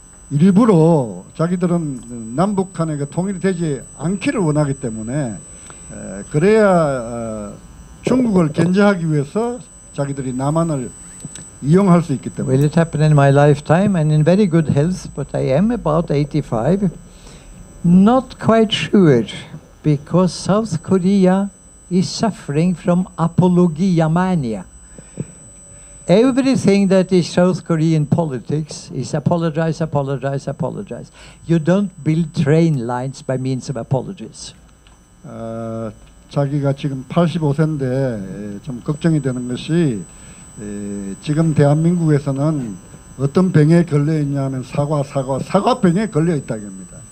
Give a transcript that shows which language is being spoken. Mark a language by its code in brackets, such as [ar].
[ko] 일부러 자기들은 남북한에 통일이 되지 않기를 원하기 때문에 그래야 중국을 견제하기 위해서 자기들이 남한을 이용할 수 있기 때문에. [en] Will it happen in my lifetime and in very good health, but I am about 85. Not quite sure, because South Korea is suffering from apologia mania. Everything that is South Korean politics is apologize, apologize, apologize. You don't build train lines by means of apologies. [ko] 자기가 지금 85세인데 좀 걱정이 되는 것이 지금 대한민국에서는 어떤 병에 걸려 있냐면 사과, 사과, 사과 병에 걸려 있다겁니다.